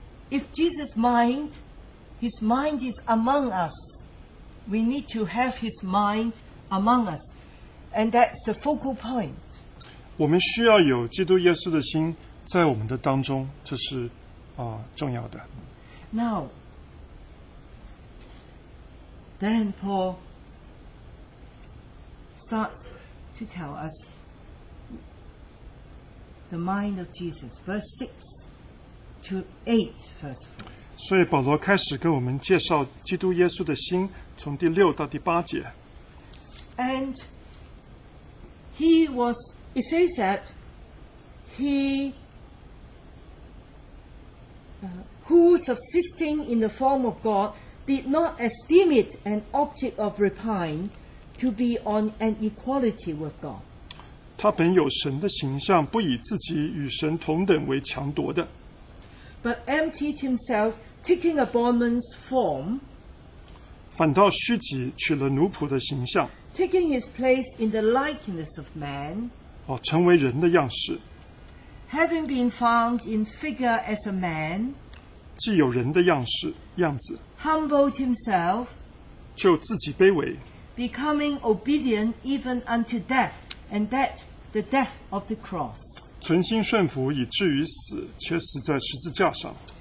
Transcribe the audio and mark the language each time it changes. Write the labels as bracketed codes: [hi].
[en] If Jesus' mind, his mind is among us, we need to have his mind among us, and that's the focal point. [zh] 我们需要有基督耶稣的心在我们的当中，这是重要的。 [en] Now. Then Paul starts to tell us the mind of Jesus, verse 6 to 8, first of all. [zh] 所以保罗开始跟我们介绍基督耶稣的心, 从第6到第8节。 [en] And he was, it says that he who subsisting in the form of God did not esteem it an object of repine to be on an equality with God. [zh] 他本有神的形象, 不以自己与神同等为强夺的, [en] but emptied himself, taking a bondman's form, [zh] 反倒虚己, 取了奴仆的形象, [en] taking his place in the likeness of man, [zh] 哦, 成为人的样式, [en] having been found in figure as a man, [zh] 既有人的样式, 样子, [en] humbled himself, [zh] 就自己卑微, [en] becoming obedient even unto death, and that the death of the cross. [zh] 存心顺服, 以至于死, 且死在十字架上。